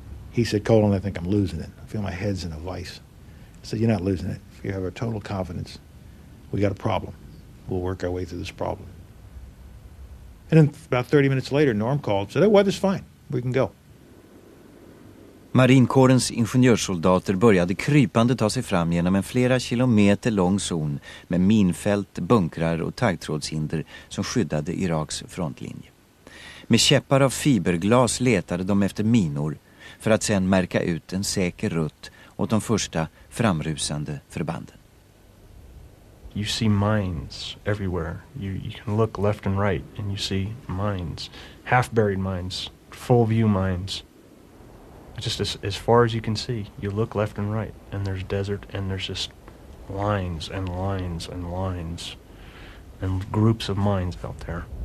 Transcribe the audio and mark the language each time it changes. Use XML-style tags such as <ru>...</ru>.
<en>He said, Colin, I think I'm losing it. I feel my head's in a vice. I said, you're not losing it. If you have a total confidence, we got a problem. We'll work our way through this problem. And then about 30 minutes later, Norm called and said, the weather's fine. We can go.</en> <sv>Marinkårens ingenjörssoldater började krypande ta sig fram genom en flera kilometer lång zon med minfält, bunkrar och taggtrådshinder som skyddade Iraks frontlinje. Med käppar av fiberglas letade de efter minor för att sedan märka ut en säker rutt åt de första framrusande förbanden.</sv> <en>You see mines everywhere. You can look left and right and you see mines, half-buried mines, full view mines. Just as far as you can see, you look left and right, and there's desert, and there's just lines and lines and lines and groups of mines out there.</en>